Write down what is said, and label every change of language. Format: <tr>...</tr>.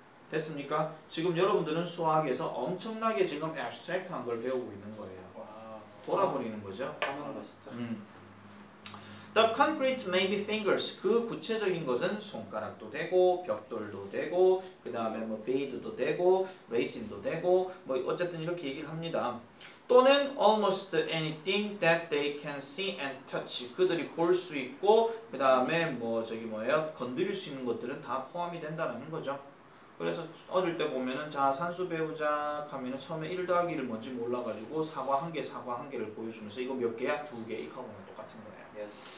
<ko>됐습니까? 지금 여러분들은 수학에서 엄청나게 지금 abstract한 걸 배우고 있는 거예요. 돌아버리는 거죠. 화나다 진짜.</ko> <en>The concrete may be fingers.</en> <ko>그 구체적인 것은 손가락도 되고 벽돌도 되고 그 다음에 뭐 베이드도 되고 레이싱도 되고 뭐 어쨌든 이렇게 얘기를 합니다. 또는</ko> <en>almost anything that they can see and touch.</en> <ko>그들이 볼 수 있고 그 다음에 뭐 저기 뭐예요? 건드릴 수 있는 것들은 다 포함이 된다는 거죠. 그래서 어릴 때 보면은 자 산수 배우자 하면은 처음에 1 더하기 1 뭔지 몰라가지고 사과 한 개 사과 한 개를 보여주면서 이거 몇 개야? 두 개 이렇게 하고 보면 똑같은 거예요.</ko> <en>Yes.</en>